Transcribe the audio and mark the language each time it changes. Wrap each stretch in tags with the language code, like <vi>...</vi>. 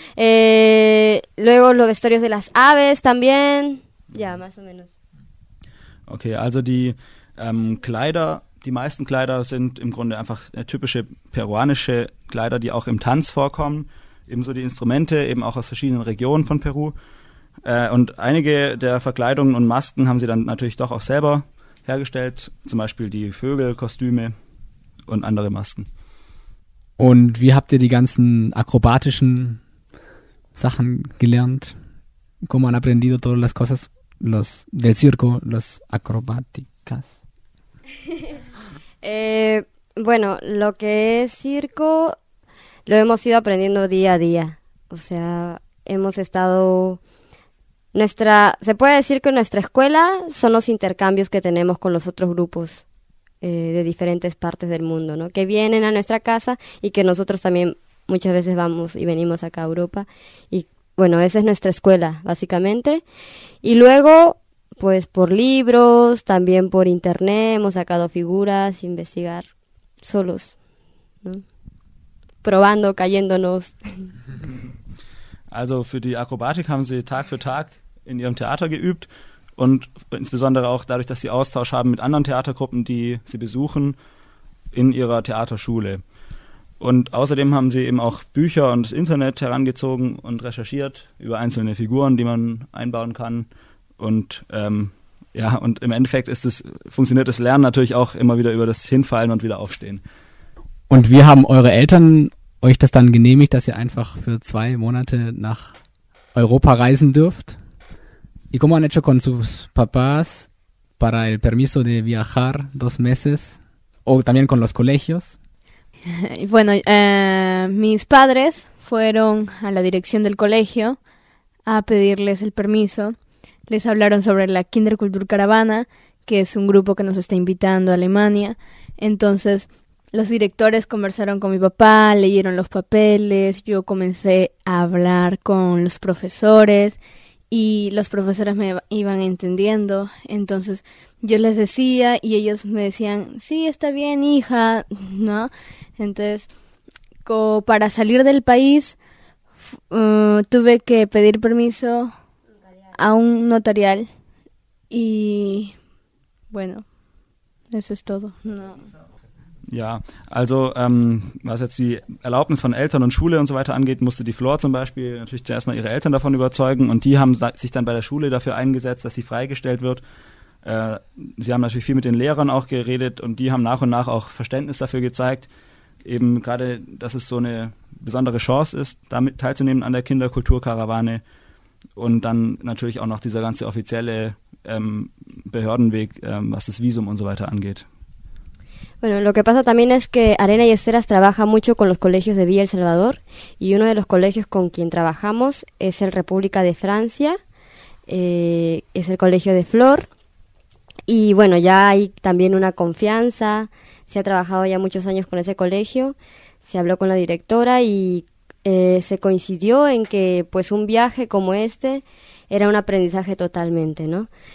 <es>Luego los vestuarios de las aves también. Ya, más o menos.</es> <de>Ok, also die Kleider. Die meisten Kleider sind im Grunde einfach typische peruanische Kleider, die auch im Tanz vorkommen. Ebenso die Instrumente, eben auch aus verschiedenen Regionen von Peru. Und einige der Verkleidungen und Masken haben sie dann natürlich doch auch selber hergestellt. Zum Beispiel die Vögelkostüme und andere Masken. Und wie habt ihr die ganzen akrobatischen Sachen gelernt?</de> <es>¿Cómo han aprendido todas las cosas los del circo, las acrobáticas? bueno, lo que es circo lo hemos ido aprendiendo día a día. O sea, hemos estado se puede decir que nuestra escuela son los intercambios que tenemos con los otros grupos de diferentes partes del mundo, ¿no? Que vienen a nuestra casa y que nosotros también muchas veces vamos y venimos acá a Europa. Y bueno, esa es nuestra escuela, básicamente. Y luego, pues por libros, también por internet, hemos sacado figuras, investigar solos, ¿no? Probando, cayéndonos.</es> <de>Also für die Akrobatik haben sie Tag für Tag in ihrem Theater geübt und insbesondere auch dadurch, dass sie Austausch haben mit anderen Theatergruppen, die sie besuchen in ihrer Theaterschule. Und außerdem haben sie eben auch Bücher und das Internet herangezogen und recherchiert über einzelne Figuren, die man einbauen kann. Und ja, und im Endeffekt funktioniert das Lernen natürlich auch immer wieder über das Hinfallen und wieder Aufstehen. Und wie haben eure Eltern euch das dann genehmigt, dass ihr einfach für zwei Monate nach Europa reisen dürft?</de> <es>¿Y cómo han hecho con sus papás para el permiso de viajar 2 meses? ¿O también con los colegios? Bueno, mis padres fueron a la dirección del colegio a pedirles el permiso. Les hablaron sobre la Kinderkultur Caravana, que es un grupo que nos está invitando a Alemania. Entonces, los directores conversaron con mi papá, leyeron los papeles, yo comencé a hablar con los profesores y los profesores me iban entendiendo. Entonces, yo les decía y ellos me decían, sí, está bien, hija, ¿no? Entonces, para salir del país, tuve que pedir permiso a un notarial y, bueno, eso es todo, ¿no?</es> <de>Ja, also was jetzt die Erlaubnis von Eltern und Schule und so weiter angeht, musste die Flor zum Beispiel natürlich zuerst mal ihre Eltern davon überzeugen und die haben sich dann bei der Schule dafür eingesetzt, dass sie freigestellt wird. Sie haben natürlich viel mit den Lehrern auch geredet und die haben nach und nach auch Verständnis dafür gezeigt, eben gerade, dass es so eine besondere Chance ist, damit teilzunehmen an der Kinderkulturkarawane und dann natürlich auch noch dieser ganze offizielle Behördenweg, was das Visum und so weiter angeht.</de> <es>Bueno, lo que pasa también es que Arena y Esteras trabaja mucho con los colegios de Villa El Salvador y uno de los colegios con quien trabajamos es el República de Francia, es el colegio de Flor y bueno, ya hay también una confianza, se ha trabajado ya muchos años con ese colegio, se habló con la directora y se coincidió en que pues un viaje como este era un aprendizaje totalmente, ¿no?</es>